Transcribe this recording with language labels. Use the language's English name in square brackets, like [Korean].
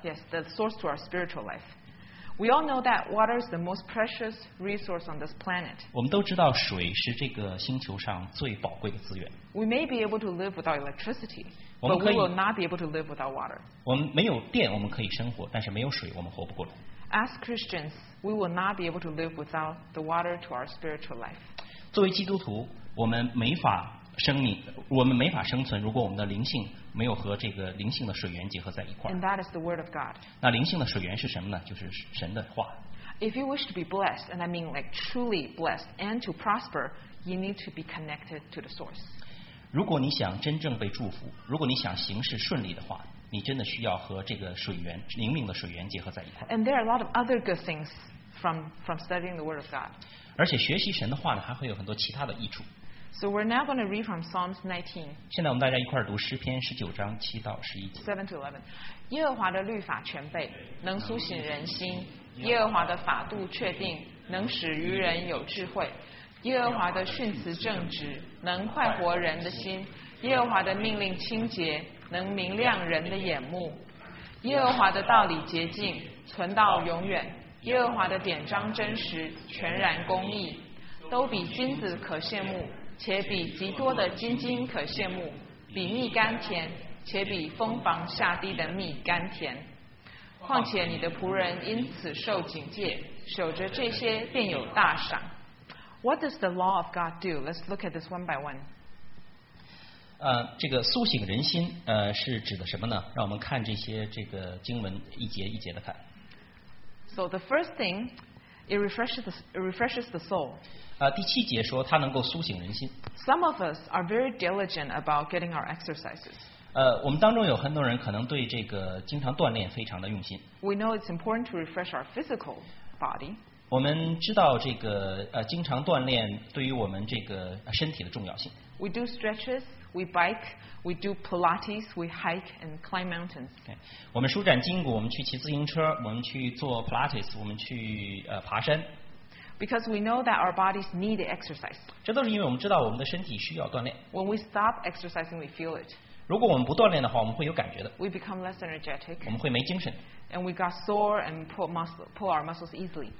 [English] Yes, the source to our spiritual life. We all know that water is the most precious resource on this planet. [Chinese] 我们都知道水是这个星球上最宝贵的资源。 [English] We may be able to live without electricity, but we will not be able to live without water. [Chinese] 我们没有电我们可以生活，但是没有水我们活不过来。 [English] As Christians, we will not be able to live without the water to our spiritual life. [Chinese] 作为基督徒，我们没法生存，如果我们的灵性没有和这个灵性的水源结合在一块。 [English] And that is the word of God. [Chinese] 那灵性的水源是什么呢？就是神的话。 [English] If you wish to be blessed, and I mean like truly blessed, and to prosper, you need to be connected to the source. [Chinese] 如果你想真正被祝福，如果你想行事顺利的话，你真的需要和这个水源灵命的水源结合在一块。 [English] And there are a lot of other good things from studying the word of God. [Chinese] 而且学习神的话呢，还会有很多其他的益处。 [English] So we're now going to read from Psalms 19. [Chinese] 现在我们大家一块儿读诗篇十九章七到十一节。 [English] 7 to 11. [Chinese] 耶和华的律法全备，能苏醒人心；耶和华的法度确定，能使愚人有智慧；耶和华的训词正直，能快活人的心；耶和华的命令清洁，能明亮人的眼目；耶和华的道理洁净，存到永远；耶和华的典章真实，全然公义，都比金子可羡慕。且比极多的金金可羡慕，比蜜甘甜，且比蜂房下滴的蜜甘甜。况且你的仆人因此受警戒，守着这些便有大赏。 [English] What does the law of God do? Let's look at this one by one. [Chinese] 这个苏醒人心是指的什么呢？让我们看这些这个经文一节一节的看。 [English] So the first thing, it refreshes the soul. [Chinese] 第七节说它能够苏醒人心。 [English] Some of us are very diligent about getting our exercises. [Chinese] 我们当中有很多人可能对这个经常锻炼非常的用心。 [English] We know it's important to refresh our physical body. [Chinese] 我们知道这个经常锻炼对于我们这个身体的重要性。 [English] We do stretches. We bike, we do Pilates, we hike and climb mountains. [Chinese] Okay. 我们舒展筋骨，我们去骑自行车，我们去做 Pilates, 我们去爬山。 [English] Because we know that our bodies need exercise. [Chinese] 这都是因为我们知道我们的身体需要锻炼。 [English] When we stop exercising, we feel it. [Chinese] 如果我们不锻炼的话，我们会有感觉的。 [English] We become less energetic. [Chinese] 我们会没精神。 [English] And we got sore and pull our muscles easily.